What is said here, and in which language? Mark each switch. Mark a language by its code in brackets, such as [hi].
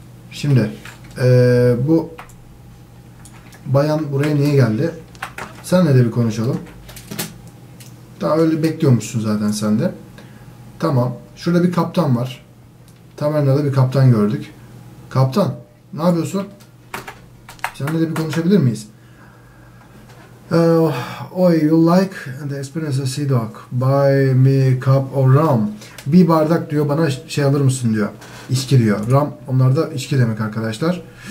[tr] Şimdi bu bayan buraya niye geldi? Senle de bir konuşalım. Daha öyle bekliyormuşsun zaten sen de. Tamam. Şurada bir kaptan var. Tavernada bir kaptan gördük. Kaptan, ne yapıyorsun? Senle de bir konuşabilir miyiz? [en] Oy, you like the espresso sea dog? Buy me a cup of rum. [tr] Bir bardak diyor, bana şey alır mısın diyor. İçki diyor. Rum, onlar da içki demek arkadaşlar.